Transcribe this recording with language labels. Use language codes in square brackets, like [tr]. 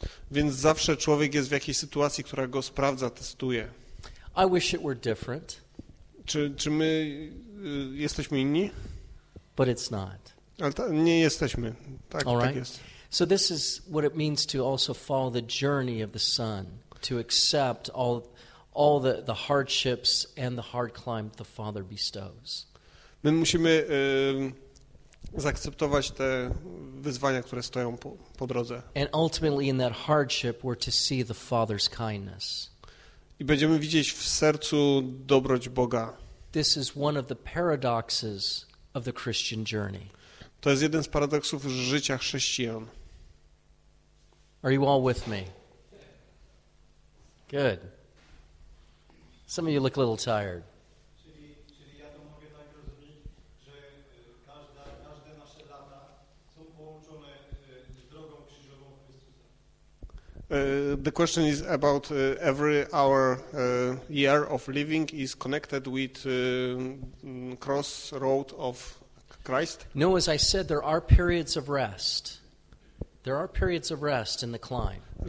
[pl] Więc zawsze człowiek jest w jakiejś sytuacji, która go sprawdza, testuje. [en] I wish it were different. [pl] Czy my jesteśmy inni? [en] But it's not. [pl] Ale nie jesteśmy. Tak, [en] all right? [pl] Tak jest. [en] So this is what it means to also follow the journey of the Son, to accept all the hardships and the hard climb the Father bestows. [pl] My musimy zaakceptować te wyzwania, które stoją po drodze. [en] And ultimately in that hardship we're to see the Father's kindness. [pl] I będziemy widzieć w sercu dobroć Boga. [en] This is one of the paradoxes of the Christian journey. [pl] To jest jeden z paradoksów życia chrześcijan. [en] Are you all with me? Good. Some of you look a little tired. [pl] Czyli ja to mogę tak rozumieć, że każde nasze lata są połączone z drogą krzyżową Chrystusa. [en] The question is about every our year of living is connected with crossroad of Christ. No, as I said, there are periods of rest. There are periods of rest in the climb.